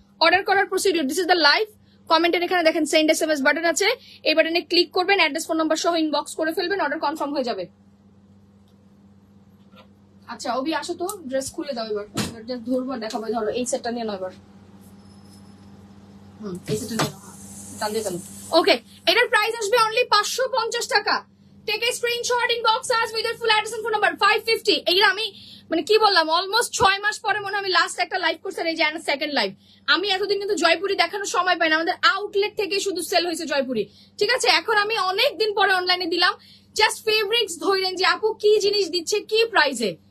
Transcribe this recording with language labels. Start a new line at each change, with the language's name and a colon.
Bangla: Order করার procedure,
English: This is the live.
Bangla: কমেন্টের এখানে দেখেন সেন্ড এসএমএস বাটন আছে, এই বাটনে ক্লিক করবেন, অ্যাড্রেস ফোন নাম্বার সহ ইনবক্স করে ফেলবেন, অর্ডার কনফার্ম হয়ে যাবে। আচ্ছা অবি আসো তো, ড্রেস খুলে দাও, এবার ড্রেস ধরবো, দেখাবো, ধরো এই সেটটা নিয়ে নাও, এবার এই সেটটা নিয়ে নাও, জানতে চাল। ওকে, এটার প্রাইস আসবে অনলি 550 টাকা।
English: Take a screenshot in box as with your full address and phone number, 550.
Bangla: এইরা আমি মানে কি বললাম, অলমোস্ট 6 মাস পরে মনে আমি লাস্ট একটা লাইভ করছিলাম, এই যে আমার সেকেন্ড লাইভ। আমি এতদিন কিন্তু জয়পুরি দেখানোর সময় পাই না, আমাদের আউটলেট থেকে শুধু সেল হয়েছে জয়পুরি, ঠিক আছে? এখন আমি অনেক দিন পরে অনলাইনে দিলাম, জাস্ট ফেব্রিক্স ধরেন যে আপু কি জিনিস দিচ্ছে কি প্রাইসে।